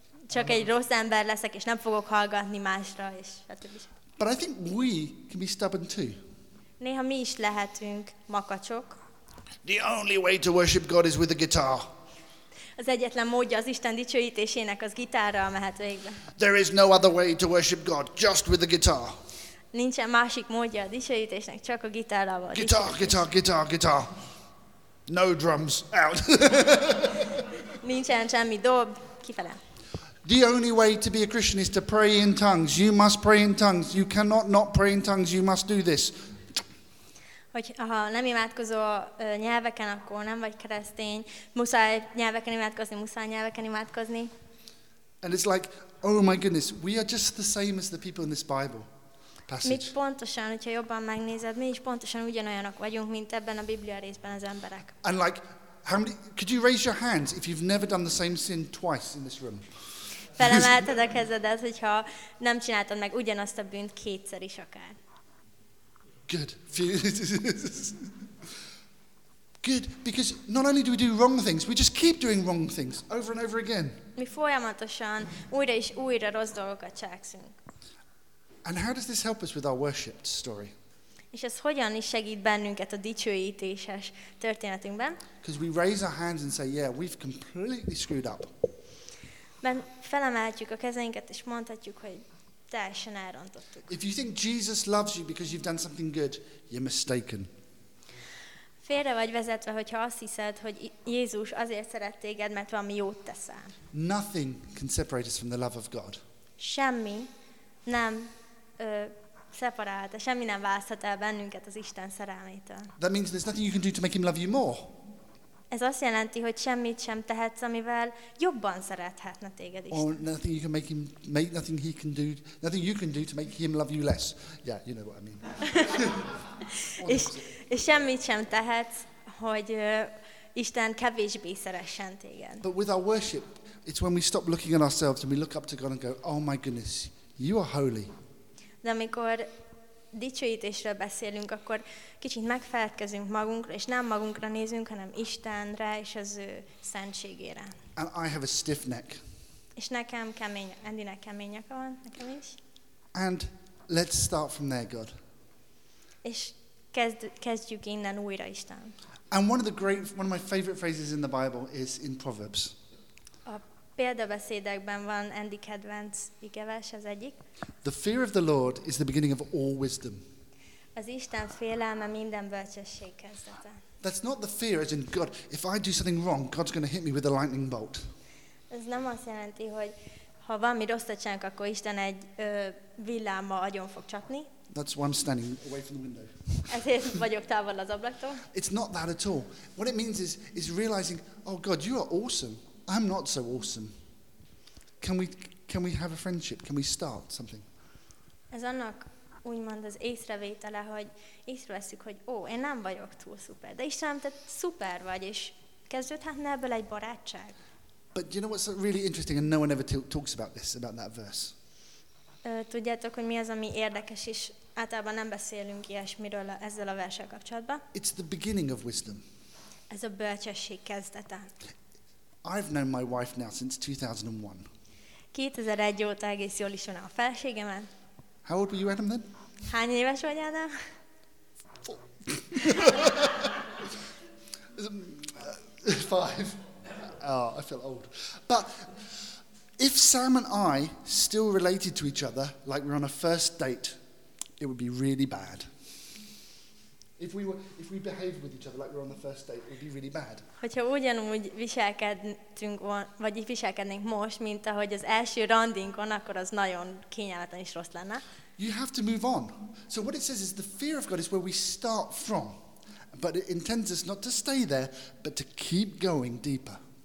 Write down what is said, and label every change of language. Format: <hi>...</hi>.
<hu>Csak egy rossz ember leszek, és nem fogok hallgatni másra, és stb.</hu> <en>But I think we can be stubborn too.</en> <hu>Néha mi is lehetünk makacsok.</hu> <en>The only way to worship God is with a guitar.</en> <hu>Az egyetlen módja az Isten dicsőítésének az gitárral mehet végbe.</hu> <en>There is no other way to worship God, just with a guitar.</en> <hu>Nincsen másik módja a dicsőítésnek, csak a gitárral van.</hu> <en>Guitar. No drums, out.</en> <hu>Nincsen semmi dob, kifele.</hu> <en>The only way to be a Christian is to pray in tongues. You must pray in tongues. You cannot not pray in tongues. You must do this.</en> <hu>Hogy ha nem imádkozol nyelveken, akkor nem vagy keresztény. Muszáj nyelveken imádkozni,</hu> <en>And it's like, oh my goodness, we are just the same as the people in this Bible passage.</en> <hu>Mi pontosan, hogyha jobban megnézed, mi is pontosan ugyanolyanok vagyunk, mint ebben a Biblia részben az emberek.</hu> <en>And like, how many, could you raise your hands if you've never done the same sin twice in this room?</en> <hu>Felemelted a kezedet, hogyha nem csináltad meg ugyanazt a bűnt kétszer is akár.</hu> <en>Good, because not only do we do wrong things, we just keep doing wrong things over and over again.</en> <hu>Mi folyamatosan újra és újra rossz dolgokat cselekszünk.</hu> <en>And how does this help us with our worship story?</en> <hu>És ez hogyan is segít bennünket a dicsőítéses történetünkben?</hu> <en>Because we raise our hands and say, yeah, we've completely screwed up.</en> <hu>Mert felemeltjük a kezeinket, és mondhatjuk, hogy teljesen elrontottuk.</hu> <en>If you think Jesus loves you because you've done something good, you're mistaken.</en> <hu>Félre vagy vezetve, hogyha azt hiszed, hogy Jézus azért szeret téged, mert valami jót teszel.</hu> <en>Nothing can separate us from the love of God.</en> <hu>Semmi nem szeparált, semmi nem választhat el bennünket az Isten szerelmétől.</hu> <en>That means there's nothing you can do to make him love you more.</en> <hu>Ez azt jelenti, hogy semmit sem tehetsz, amivel jobban szerethetne téged Isten.</hu> <en>Or nothing you can make him make nothing he can do, nothing you can do to make him love you less. Yeah, you know what I mean.</en> <hu>és semmit sem tehetsz, hogy Isten kevésbé szeressen téged.</hu> <en>But with our worship, it's when we stop looking at ourselves and we look up to God and go, oh my goodness, you are holy.</en> <hu>De amikor dicsőítésről beszélünk, akkor kicsit megfeledkezünk magunkra, és nem magunkra nézünk, hanem Istenre és az ő szentségére.</hu> <en>And I have a stiff neck.</en> <hu>És nekem kemény, Andynek kemény nyaka van, nekem is.</hu> <en>And let's start from there, God.</en> <hu>És kezdjük innen újra, Isten.</hu> <en>And one of my favorite phrases in the Bible is in Proverbs.</en> <hu>Példabeszédekben van Andy kedvenc igevers, az egyik.</hu> <en>The fear of the Lord is the beginning of all wisdom.</en> <hu>Az Isten félelme minden bölcsesség kezdete.</hu> <en>That's not the fear as in God, if I do something wrong, God's going to hit me with a lightning bolt.</en> <hu>Ez nem azt jelenti, hogy ha valami rosszat csinálunk, akkor Isten egy villámmal agyon fog csapni.</hu> <en>That's why I'm standing away from the window.</en> <hu>Ezért vagyok távol az ablaktól.</hu> <en>It's not that at all. What it means is realizing, oh God, you are awesome. I'm not so awesome. Can we have a friendship? Can we start something?</en> <hu>Ez annak úgymond az észrevétele, hogy észreveszük, hogy ó, én nem vagyok túl szuper, de Istenem, te szuper vagy, és kezdődhetne ebből egy barátság.</hu> <en>But you know what's really interesting, and no one ever talks about this, about that verse.</en> <hu>Tudjátok, hogy mi az, ami érdekes, és Általában nem beszélünk ilyesmiről ezzel a verssel kapcsolatban.</hu> <en>It's the beginning of wisdom.</en> <hu>Ez a bölcsesség kezdete.</hu> <en>I've known my wife now since 2001.</en> <hu>2001 óta egész jól ismerem a feleségemet.</hu> <en>How old were you, Adam, then?</en> <hu>Hány éves vagy, Adam?</hu> <en>Five. Oh, I feel old. But if Sam and I still related to each other like we're on a first date, it would be really bad. If we behaved with each other like we're on the first date, it would be really bad.</en> <hu>Hogyha ugyanúgy viselkedtünk volna, vagy viselkednénk most, mint ahogy az első randinkon, akkor az nagyon kényelmetlen és rossz lenne.</hu> <en>You have to move on. So what it says is the fear of God is where we start from, but it intends us not to stay there, but to keep going deeper.</en>